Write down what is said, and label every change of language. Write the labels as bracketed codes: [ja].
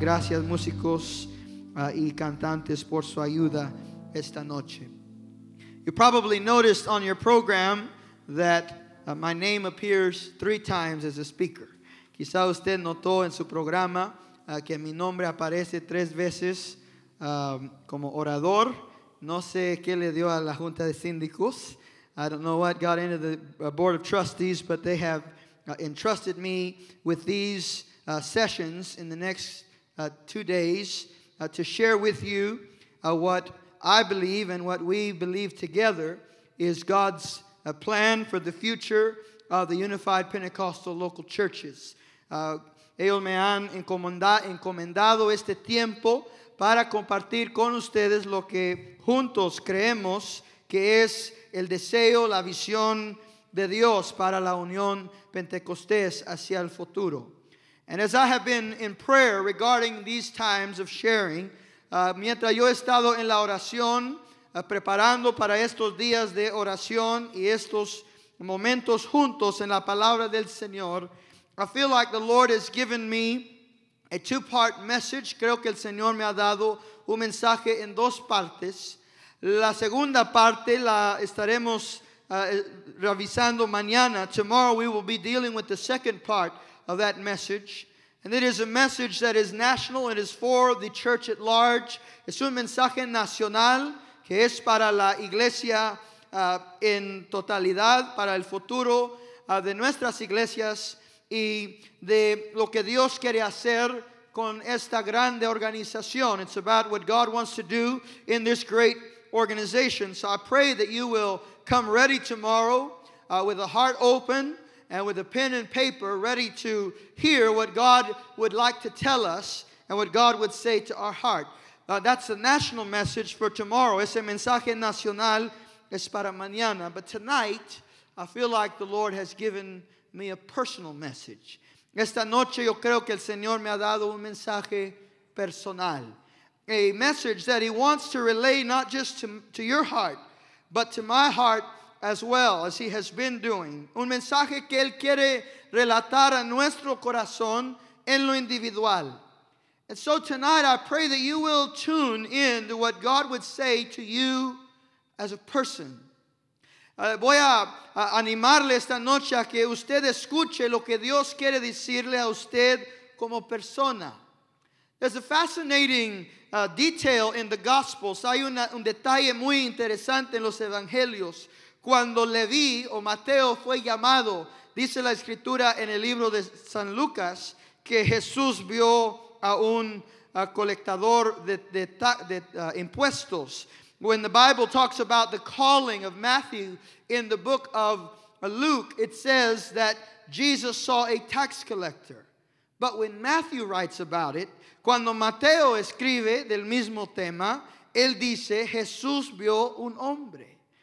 [es] Gracias, músicos y cantantes, por su ayuda esta noche. [en] You probably noticed on your program that my name appears three times as a speaker. [es] Quizá usted notó en su programa que mi nombre aparece tres veces como orador. No sé qué le dio a la Junta de Síndicos. [en] I don't know what got into the Board of Trustees, but they have entrusted me with these sessions in the next 2 days to share with you what I believe and what we believe together is God's plan for the future of the Unified Pentecostal Local Churches. [es] Ellos me han encomendado este tiempo para compartir con ustedes lo que juntos creemos que es el deseo, la visión de Dios para la Unión Pentecostés hacia el futuro. [en] And as I have been in prayer regarding these times of sharing, [es] mientras yo he estado en la oración, preparando para estos días de oración y estos momentos juntos en la palabra del Señor, [en] I feel like the Lord has given me a two-part message. [es] Creo que el Señor me ha dado un mensaje en dos partes. La segunda parte la estaremos revisando mañana. [en] Tomorrow we will be dealing with the second part of that message. And it is a message that is national. It is for the church at large. [es] Es un mensaje nacional que es para la iglesia en totalidad, para el futuro de nuestras iglesias y de lo que Dios quiere hacer con esta grande organización. [en] It's about what God wants to do in this great organization. So I pray that you will come ready tomorrow with a heart open and with a pen and paper ready to hear what God would like to tell us and what God would say to our heart. That's the national message for tomorrow. [es] Ese mensaje nacional es para mañana. [en] But tonight, I feel like the Lord has given me a personal message. [es] Esta noche yo creo que el Señor me ha dado un mensaje personal. [en] A message that he wants to relay not just to your heart, but to my heart as well, as he has been doing. [es] Un mensaje que él quiere relatar a nuestro corazón en lo individual. [en] And so tonight I pray that you will tune in to what God would say to you as a person. [es] Voy a animarle esta noche a que usted escuche lo que Dios quiere decirle a usted como persona. [en] There's a fascinating detail in the Gospels. [es] Hay un detalle muy interesante en los Evangelios. Cuando Leví o Mateo fue llamado, dice la Escritura en el libro de San Lucas, que Jesús vio a un colectador de impuestos. [en] When the Bible talks about the calling of Matthew in the book of Luke, it says that Jesus saw a tax collector. But when Matthew writes about it, [es] cuando Mateo escribe del mismo tema, él dice, Jesús vio un hombre.